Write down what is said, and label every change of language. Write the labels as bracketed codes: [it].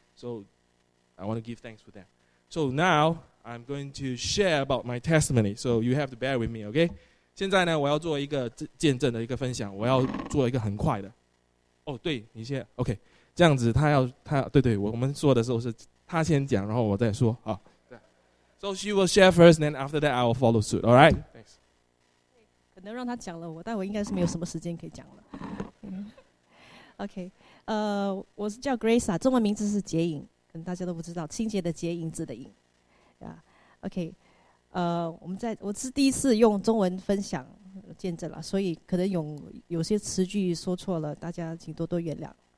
[en] So I want to give thanks for that. So now I'm going to share about my testimony, so you have to bear with me, okay? [zh] 现在呢，我要做一个见证的一个分享，我要做一个很快的。哦，对，你先 okay, 这样子他对，我们说的时候是他先讲，然后我再说啊。 [en] So she will share first, then after that, I will follow suit. All right? Thanks. [zh] 可能让她讲了我，但我应该是没有什么时间可以讲了。 OK， 我是叫 Grace 啊，中文名字是洁颖，可能大家都不知道，清洁的洁，颖字的颖。Yeah. OK， 我是第一次用中文分享见证了，所以可能有些词句说错了，大家请多多原谅。